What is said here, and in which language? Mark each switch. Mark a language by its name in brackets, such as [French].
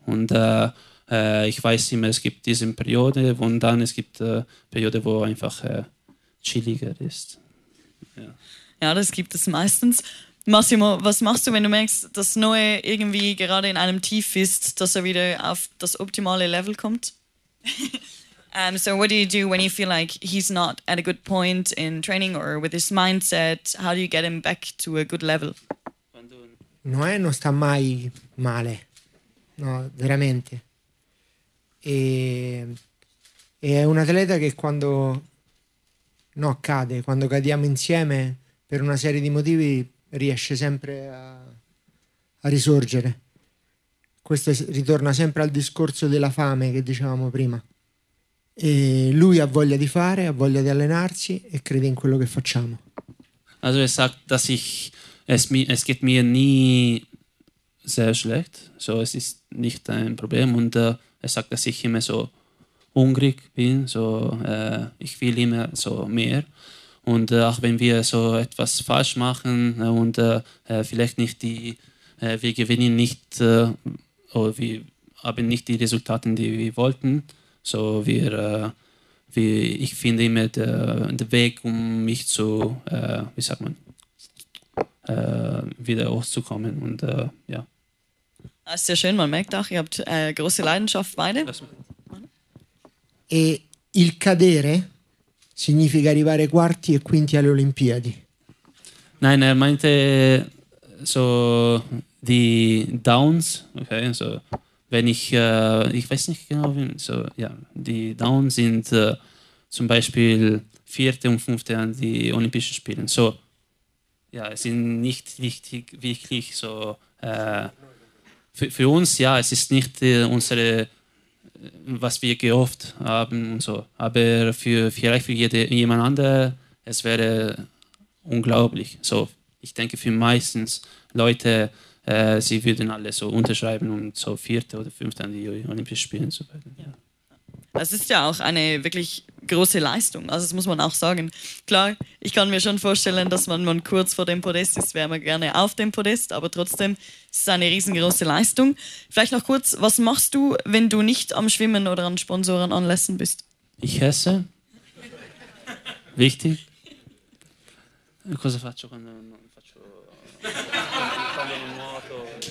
[German] Und ich weiß immer, es gibt diese Periode und dann es gibt Periode, wo einfach chilliger ist. Ja, das gibt es meistens. Massimo, was machst du, wenn du merkst, dass Noe irgendwie gerade in einem Tief ist, dass er wieder auf das optimale Level kommt? [English] So what do you do when you feel like he's not at a good point in training or with his mindset? How do you get him back to a good level? [Italian] Noe non sta mai male. No, veramente. E è un atleta che quando no cade, quando cadiamo insieme per una serie di motivi riesce sempre a risorgere. Questo ritorna sempre al discorso della fame che dicevamo prima. E lui ha voglia di fare, ha voglia di allenarsi e crede in quello che facciamo. [German] Also er sagt, dass ich es geht mir nie sehr schlecht, so es ist nicht ein Problem und er sagt, dass ich immer so hungrig bin, so ich will immer so mehr. Und auch wenn wir so etwas falsch machen und vielleicht nicht die, wir gewinnen nicht, oder wir haben nicht die Resultate, die wir wollten, so ich finde immer den Weg, um mich zu, wie sagt man, wieder hochzukommen und ja. Das ist sehr schön, man merkt auch, ihr habt große Leidenschaft beide. [Italian] E il cadere significa arrivare quarti e quinti alle Olimpiadi. [German] Nein, er meinte so die Downs, okay, so wenn ich, ich weiß nicht genau, wie, so ja, yeah, die Downs sind zum Beispiel vierte und fünfte an die Olympischen Spielen. So, ja, yeah, sind nicht wichtig, wirklich so für uns, ja, es ist nicht unsere, was wir gehofft haben und so. Aber für jemand anderen, es wäre unglaublich. So, ich denke, für meistens Leute, sie würden alle so unterschreiben und so vierte oder fünfte an die Olympischen Spielen zu werden. Ja. Das ist ja auch eine wirklich große Leistung, also das muss man auch sagen. Klar, ich kann mir schon vorstellen, dass man kurz vor dem Podest ist, wäre man gerne auf dem Podest, aber trotzdem ist es eine riesengroße Leistung. Vielleicht noch kurz, was machst du, wenn du nicht am Schwimmen oder an Sponsoren anlässen bist? Ich esse. Wichtig. [Italian] Cosa faccio quando non faccio moto?